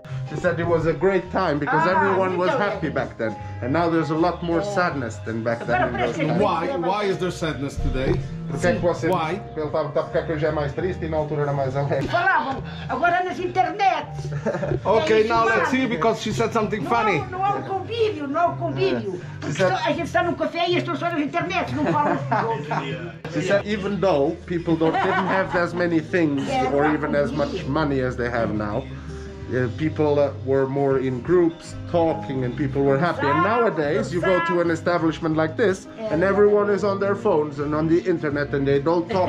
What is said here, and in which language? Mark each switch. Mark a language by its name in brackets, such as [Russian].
[English] She said it was a great time because everyone was happy back then, and now there's a lot more sadness than back then. Why is there sadness today? [Portuguese] Porque é que você, [English] why? [Portuguese] Pelo tal que porque hoje é mais triste e na altura era mais alegre. Falavam, agora nas internet. [English] Okay, now let's see because she said something funny. [Portuguese] Não há convívio. Yeah. A gente está num café e estão só nas internet, não falam. [English] She said, even though people didn't have as many things or even as much money as they have now. People were more in groups talking and people were happy. And nowadays you go to an establishment like this and everyone is on their phones and on the internet and they don't talk.